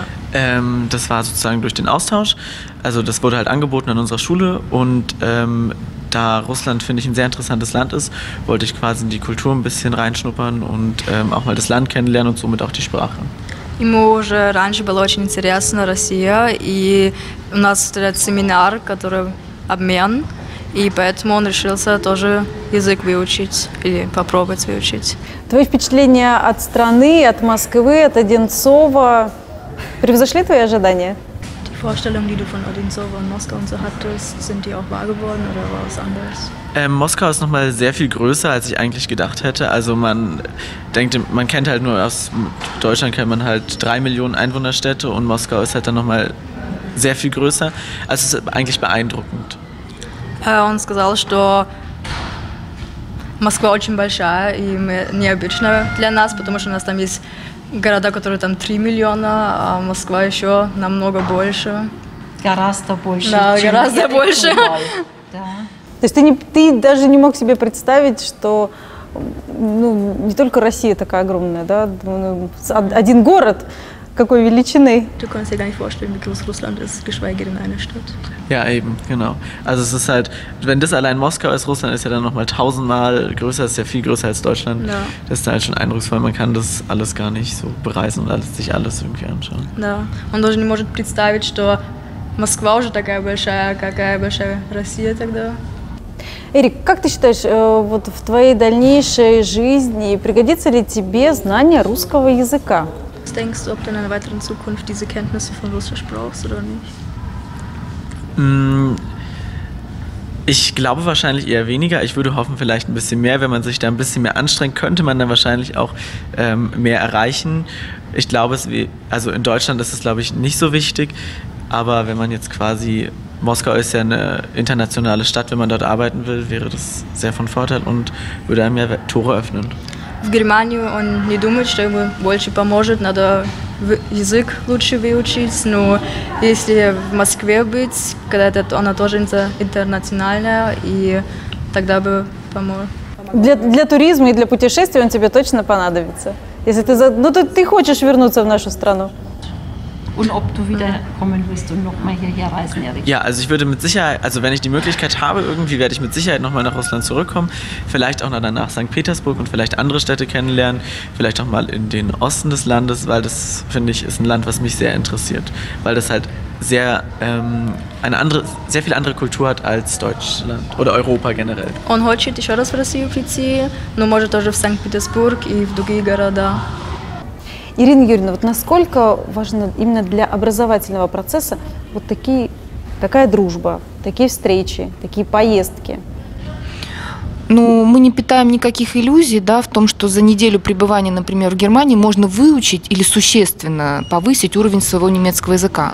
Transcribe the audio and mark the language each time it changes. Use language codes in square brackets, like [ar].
[de] Das war sozusagen durch den Austausch. Also das wurde halt angeboten an unserer Schule und da Russland, finde ich, ein sehr interessantes Land ist, wollte ich quasi in die Kultur ein bisschen reinschnuppern und auch mal das Land kennenlernen und somit auch die Sprache. [ru] Ему уже раньше было очень интересно Россия, и у нас этот семинар, который обмен, и поэтому он решился тоже язык выучить или попробовать выучить. Твои впечатления от страны, от Москвы, от Одинцова превзошли твои ожидания? [de] Die Vorstellung, die du von Odinzowa und Moskau und so hattest, sind die auch wahr geworden oder war es anders? Moskau ist nochmal sehr viel größer, als ich eigentlich gedacht hätte. Also man denkt, man kennt halt nur aus Deutschland, kennt man halt 3 Millionen Einwohnerstädte und Moskau ist halt dann nochmal sehr viel größer. Also es ist eigentlich beeindruckend. Uns gesagt, [ru] что Москва очень большая и необычно для нас, потому что у нас там есть города, которые там 3 миллиона, а Москва еще намного больше. Гораздо больше. Да, гораздо больше. То есть ты даже не мог себе представить, что ну, не только Россия такая огромная, да, один город какой величины. [de] Du kannst dir gar nicht vorstellen, wie groß Russland ist, geschweige denn eine Stadt. Ja, eben, genau. Also es ist halt, wenn das allein Moskau ist, Russland ist ja dann nochmal tausendmal größer, ist ja viel größer als Deutschland. No. Das ist halt schon eindrucksvoll. Man kann das alles gar nicht so bereisen und sich alles irgendwie anschauen. Ja, man kann sich nicht vorstellen, dass Moskau schon so groß ist, wie Russland тогда. [ru] Эрик, как ты считаешь, вот в твоей дальнейшей жизни пригодится ли тебе знание русского языка? [de] Was denkst du, ob du in einer weiteren Zukunft diese Kenntnisse von Russisch brauchst oder nicht? Ich glaube wahrscheinlich eher weniger. Ich würde hoffen, vielleicht ein bisschen mehr. Wenn man sich da ein bisschen mehr anstrengt, könnte man dann wahrscheinlich auch mehr erreichen. Ich glaube, also in Deutschland ist es, glaube ich, nicht so wichtig. Aber wenn man jetzt quasi, Moskau ist ja eine internationale Stadt, wenn man dort arbeiten will, wäre das sehr von Vorteil und würde einem ja Tore öffnen. [ru] В Германию он не думает, что ему больше поможет, надо язык лучше выучить, но если в Москве быть, когда она тоже интернациональная, и тогда бы помог. Для туризма и для путешествий он тебе точно понадобится. Если ты ты хочешь вернуться в нашу страну. [de] Und ob du wiederkommen willst und nochmal hierher reisen, Erik? Ja, also ich würde mit Sicherheit, also wenn ich die Möglichkeit habe, irgendwie werde ich mit Sicherheit nochmal nach Russland zurückkommen. Vielleicht auch noch danach St. Petersburg und vielleicht andere Städte kennenlernen. Vielleicht auch mal in den Osten des Landes, weil das, finde ich, ist ein Land, was mich sehr interessiert. Weil das halt sehr, eine andere, sehr viel andere Kultur hat als Deutschland oder Europa generell. Und heute steht schon das für Sie offiziell, nur может auch auf St. [ru] Petersburg und в другие города. Ирина Юрьевна, вот насколько важно именно для образовательного процесса вот такая дружба, такие встречи, такие поездки? Ну, мы не питаем никаких иллюзий, да, в том, что за неделю пребывания, например, в Германии можно выучить или существенно повысить уровень своего немецкого языка.